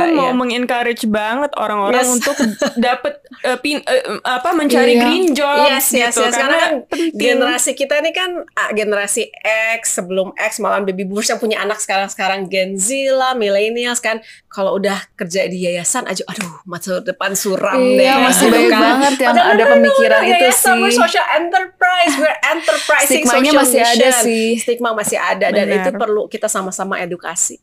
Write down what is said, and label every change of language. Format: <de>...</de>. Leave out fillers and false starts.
<id>Aku mau meng-encourage banget orang-orang untuk dapat mencari green jobs gitu. Karena generasi kita ini kan generasi X, sebelum X malah baby boomers yang punya anak sekarang Gen Z lah, millennials kan. Kalau udah kerja di yayasan aja, aduh, masa depan suram deh. Iya, masih banyak banget yang ada pemikiran itu sih.</id> <en>We're social enterprise, we're enterprising social mission.</en> <id>Stigma masih ada sih. Stigma masih ada, dan itu perlu kita sama-sama edukasi.</id>